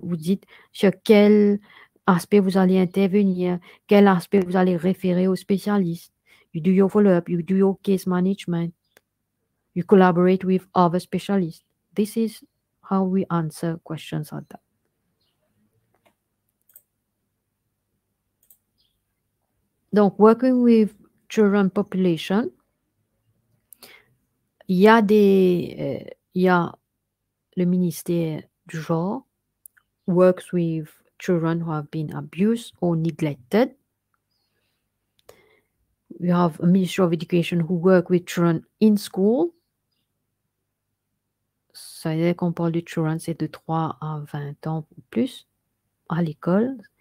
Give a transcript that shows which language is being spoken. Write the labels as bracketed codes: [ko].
[fr] Vous dites sur quel aspect vous allez intervenir, quel aspect vous allez référer au spécialiste. [en] You do your follow-up, you do your case management, you collaborate with other specialists. This is how we answer questions like that. Donc, working with children population, [fr] il y a le ministère du genre [en] works with children who have been abused or neglected. We have a Ministry of Education who work with children in school. [fr] Ça veut dire qu'on parle de children, c'est de 3 à 20 ans ou plus à l'école.